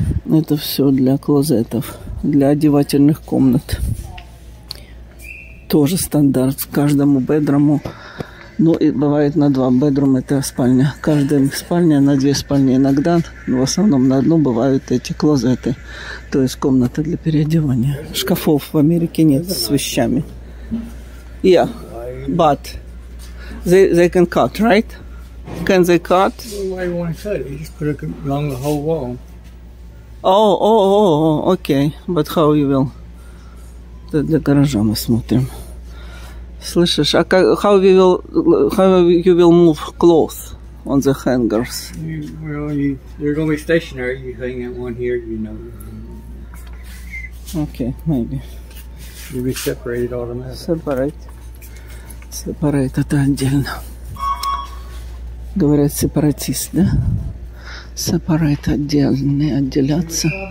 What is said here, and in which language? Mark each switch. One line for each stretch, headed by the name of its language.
Russian: Это все для клозетов, для одевательных комнат. Тоже стандарт. Каждому бедрому. Ну, и бывает на 2 бедрум, это спальня. Каждая спальня на 2 спальни иногда, но в основном на одну бывают эти клозеты, то есть комната для переодевания. Шкафов в Америке нет с вещами.
English: Yeah, but they can cut, right? Can they cut? Why you want to cut? You just put it along the whole wall. Oh, okay. But how you will?
Russian: Это для гаража мы смотрим. Слышишь, а как,
English: how you will move clothes on the hangers? They're going to be stationary, you hang it one here, you know. Okay, maybe. You'll be separated automatically.
Russian: Separate, это отдельно. Говорят, сепаратист, да? Separate, отдельно, отделяться.